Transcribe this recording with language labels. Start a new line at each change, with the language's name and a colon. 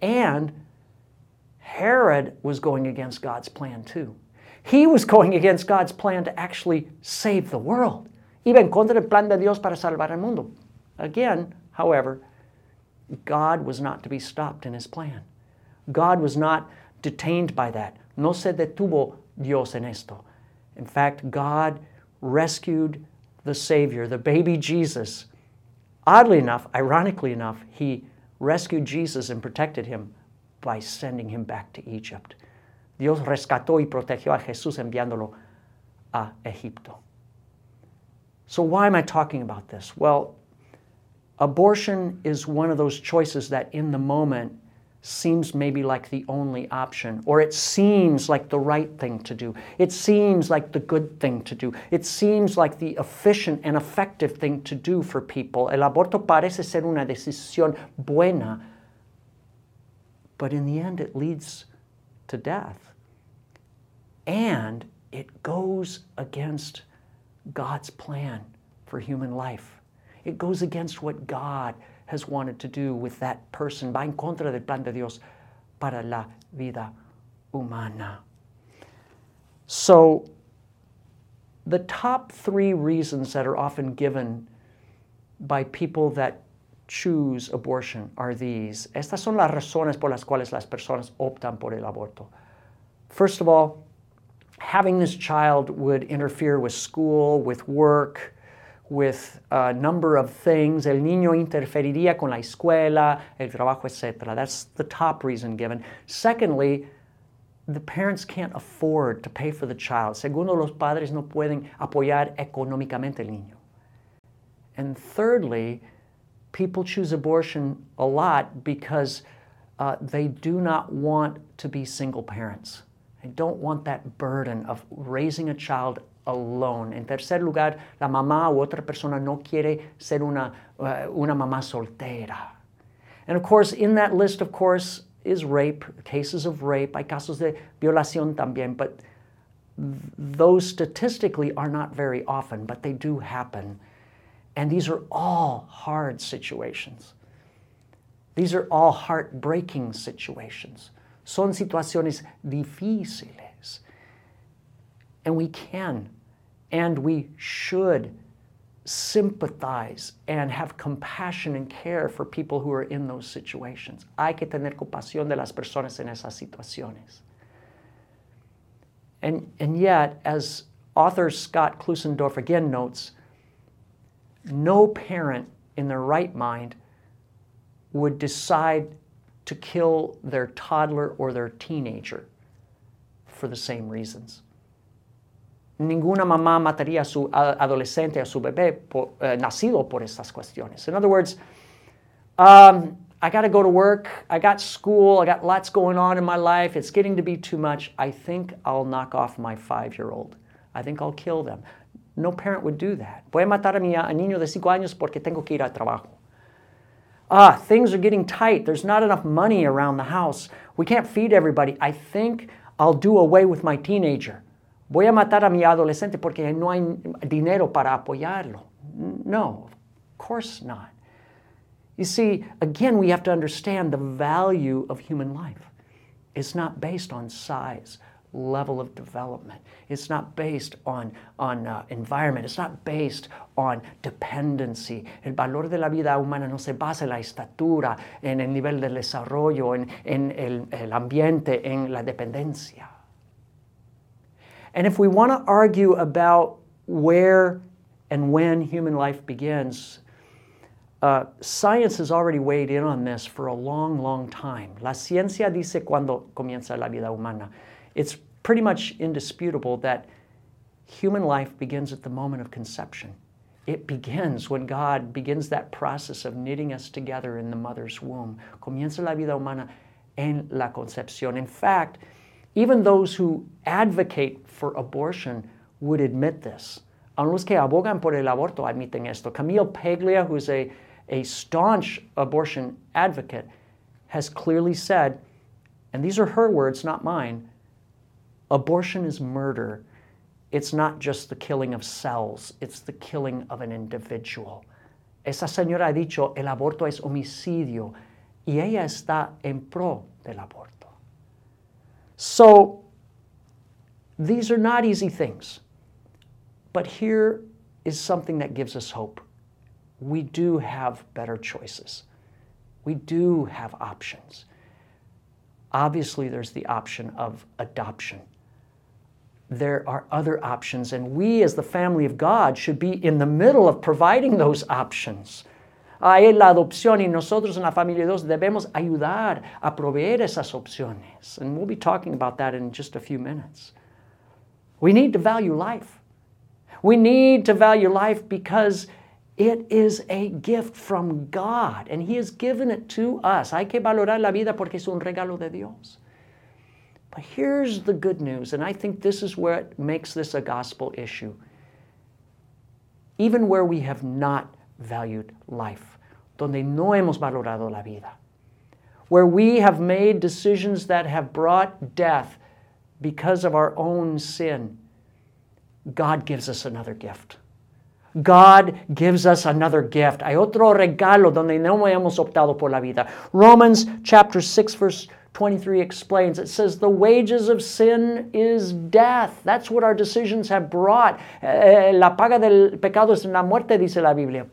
English: And Herod was going against God's plan too. He was going against God's plan to actually save the world.
Spanish: Iba en contra del plan de Dios para salvar el mundo.
English: Again, however, God was not to be stopped in his plan. God was not detained by that.
Spanish: No se detuvo Dios en esto.
English: In fact, God rescued the Savior, the baby Jesus. Oddly enough, ironically enough, he rescued Jesus and protected him by sending him back to Egypt.
Spanish: Dios rescató y protegió a Jesús enviándolo a Egipto.
English: So why am I talking about this? Well, abortion is one of those choices that in the moment seems maybe like the only option, or it seems like the right thing to do. It seems like the good thing to do. It seems like the efficient and effective thing to do for people.
Spanish: El aborto parece ser una decisión buena,
English: but in the end it leads to death. And it goes against God's plan for human life. It goes against what God has wanted to do with that person.
Spanish: Va en contra del plan de Dios para la vida humana.
English: So, the top three reasons that are often given by people that choose abortion are these.
Spanish: Estas son las razones por las cuales las personas optan por el aborto.
English: First of all, having this child would interfere with school, with work, with a number of things.
Spanish: El niño interferiría con la escuela, el trabajo, etc.
English: That's the top reason given. Secondly, the parents can't afford to pay for the child.
Spanish: Segundo, los padres no pueden apoyar económicamente el niño.
English: And thirdly, people choose abortion a lot because they do not want to be single parents. They don't want that burden of raising a child alone.
Spanish: En tercer lugar, la mamá u otra persona no quiere ser una mamá soltera.
English: And of course, in that list, of course, is rape, cases of rape.
Spanish: Hay casos de violación también,
English: but those statistically are not very often, but they do happen. And these are all hard situations. These are all heartbreaking situations.
Spanish: Son situaciones difíciles.
English: And we can and we should sympathize and have compassion and care for people who are in those situations.
Spanish: Hay que tener compasión de las personas en esas situaciones.
English: And yet, as author Scott Klusendorf again notes, no parent in their right mind would decide to kill their toddler or their teenager for the same reasons.
Spanish: Ninguna mamá mataría a su adolescente, a su bebé, nacido por estas cuestiones.
English: In other words, I got to go to work. I got school. I got lots going on in my life. It's getting to be too much. I think I'll knock off my 5-year-old. I think I'll kill them. No parent would do that.
Spanish: Voy a matar a mi niño de 5 años porque tengo que ir a trabajo.
English: Things are getting tight. There's not enough money around the house. We can't feed everybody. I think I'll do away with my teenager.
Spanish: Voy a matar a mi adolescente porque no hay dinero para apoyarlo.
English: No, of course not. You see, again, we have to understand the value of human life. It's not based on size, level of development. It's not based on environment. It's not based on dependency.
Spanish: El valor de la vida humana no se basa en la estatura, en el nivel de desarrollo, en el ambiente, en la dependencia.
English: And if we want to argue about where and when human life begins, science has already weighed in on this for a long, long time.
Spanish: La ciencia dice cuando comienza la vida humana.
English: It's pretty much indisputable that human life begins at the moment of conception. It begins when God begins that process of knitting us together in the mother's womb.
Spanish: Comienza la vida humana en la concepción.
English: In fact, even those who advocate for abortion would admit this.
Spanish: Aun los que abogan por el aborto admiten esto.
English: Camille Paglia, who is a staunch abortion advocate, has clearly said, and these are her words, not mine, abortion is murder. It's not just the killing of cells. It's the killing of an individual.
Spanish: Esa señora ha dicho, el aborto es homicidio. Y ella está en pro del aborto.
English: So, these are not easy things. But here is something that gives us hope. We do have better choices. We do have options. Obviously, there's the option of adoption. There are other options, and we as the family of God should be in the middle of providing those options.
Spanish: Hay la adopción y nosotros en la familia de Dios debemos ayudar a proveer esas opciones.
English: And we'll be talking about that in just a few minutes. We need to value life. We need to value life because it is a gift from God, and He has given it to us.
Spanish: Hay que valorar la vida porque es un regalo de Dios.
English: But here's the good news, and I think this is what makes this a gospel issue. Even where we have not valued life,
Spanish: donde no hemos valorado la vida,
English: where we have made decisions that have brought death because of our own sin, God gives us another gift. God gives us another gift.
Spanish: Hay otro regalo donde no hemos optado por la vida.
English: Romans chapter 6, verse 23 explains, it says, the wages of sin is death. That's what our decisions have brought.
Spanish: La paga del pecado es la muerte, dice la Biblia.